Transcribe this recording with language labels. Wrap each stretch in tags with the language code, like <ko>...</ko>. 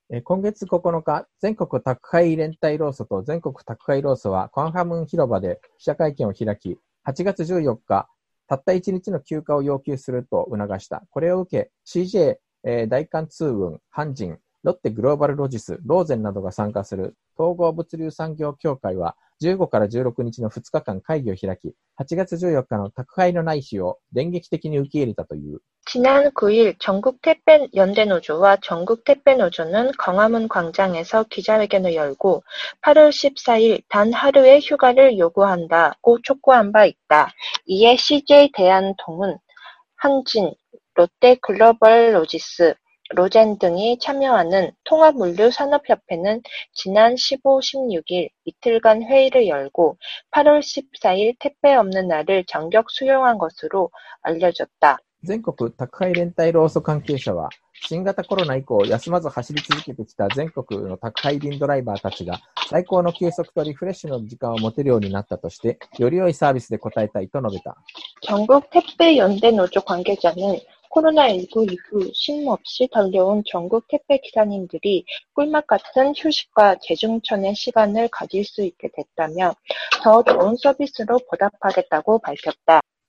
<ja>今月9日、全国宅配連帯労組と全国宅配労組はクァンハムン広場で記者会見を開き、8月14日、たった1日の休暇を要求すると促した。これを受け、CJ、大韓通運、ハンジン、ロッテグローバルロジス、ローゼンなどが参加する統合物流産業協会は15から16日の2日間会議を開き、8月14日の宅配のない日を電撃的に受け入れたという。</ja> <ko>지난9일전국택배연대노조와전국택배노조는광화문광장에서기자회견을열고8월14일단하루의휴가를요구한다고촉구한바있다이에 CJ 대한통운한진롯데글로벌로지스로젠등이참여하는통합물류산업협회는지난15、16일이틀간회의를열고8월14일택배없는날을전격수용한것으로알려졌다</ko> <ja>全国宅配連帯労組関係者は、新型コロナ以降休まず走り続けてきた全国の宅配便ドライバーたちが、最高の休息とリフレッシュの時間を持てるようになったとして、より良いサービスで応えたいと述べた。</ja> <ko>全国택배연대노조</ko> <ja>関係</ja> <ko>者는、コロナ19이후쉼없이달려온전국택배기사님들이꿀맛같은휴식과재충전의시간을가질수있게됐다며、더좋은서비스로보답하겠다고밝혔다。</ko>